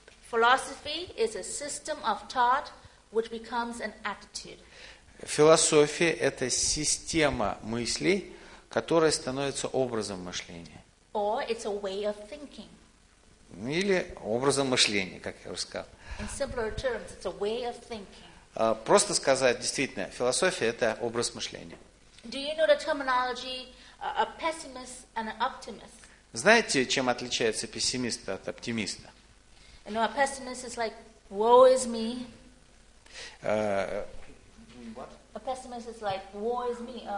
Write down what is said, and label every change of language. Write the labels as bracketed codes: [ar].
[en] Philosophy is a system of thought which becomes an attitude. [ru] Философия – это система мыслей, которая становится образом мышления. [en] Or it's a way of thinking. [ru] Или образом мышления, как я уже сказал. [en] In simpler terms, it's a way of thinking. [ru] Просто сказать, действительно, философия – это образ мышления. [en] Do you know the terminology a pessimist and an optimist? [ru] Знаете, чем отличается пессимист от оптимиста? [en] You know, a pessimist is like, woe is me. What? A pessimist is like, woe is me.